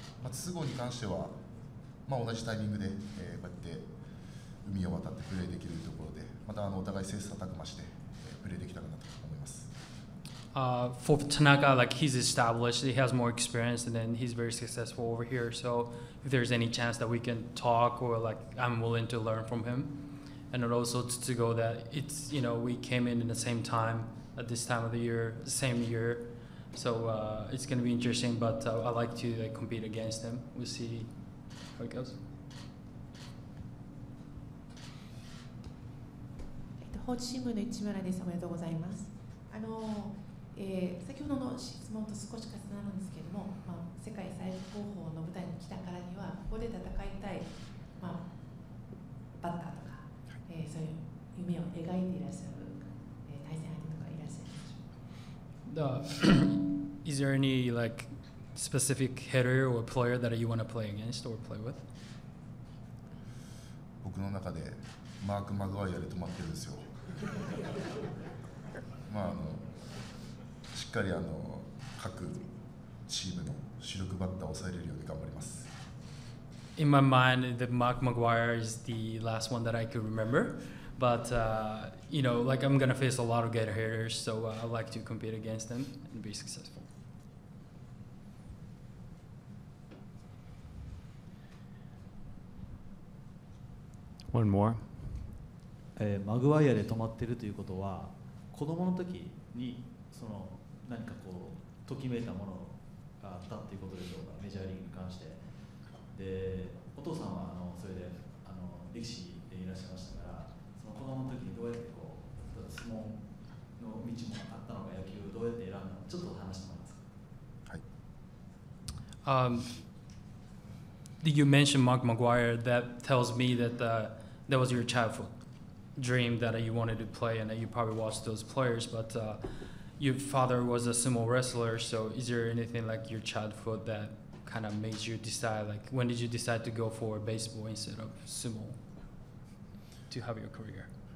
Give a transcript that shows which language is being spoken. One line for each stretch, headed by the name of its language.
Japanese: 筒香に関しては、同じタイミングで、こうやって海を渡ってプレーできるところで、またお互い切磋琢磨してプレーできたらなと思います。
English: For Tanaka, like he's established, he has more experience, and then he's very successful over here. So if there's any chance that we can talk, or like I'm willing to learn from him, and it also to go that it's, you know, we came in the same time at this time of the year, the same year. So it's going to be interesting, but I like to like compete against him. We'll see how it goes.
Japanese: 高知新聞の市村です。おめでとうございます。先ほどの質問と少し重なるんですけれども、世界最高峰の舞台に来たからにはここで戦いたい、バッターとか、そういう夢を描いていらっしゃる、対戦相手とかいらっしゃるでしょうか。
English: Is there any like specific hitter or player that you want to play against or play with?
Japanese: 僕の中でマーク・マグワイアで止まってるんですよ。しっかり各チームの主力バッターを抑えれるように頑張ります。
English: In my mind, the Mark McGuire is the last one that I could remember. But, you know, like I'm going to face a lot of good hitters, so I'd like to compete against them and be successful. One more.
Japanese: マグワイアで止まってるということは、子供の時にその何かこうときめいたものがあったということでしょうか、メジャーリーグに関して。で、お父さんはそれで歴史でいらっしゃいましたから、その子供の時にどうやってこう相撲の道もあったのか野球をどうやって選んだのかちょっと話してもらえますか。はい。
English: You mentioned Mark McGwire. That tells me that that was your childhood dream that you wanted to play, and that you probably watched those players. But your father was a sumo wrestler. So, is there anything like your childhood that kind of made you decide? Like, when did you decide to go for baseball instead of sumo to have your career?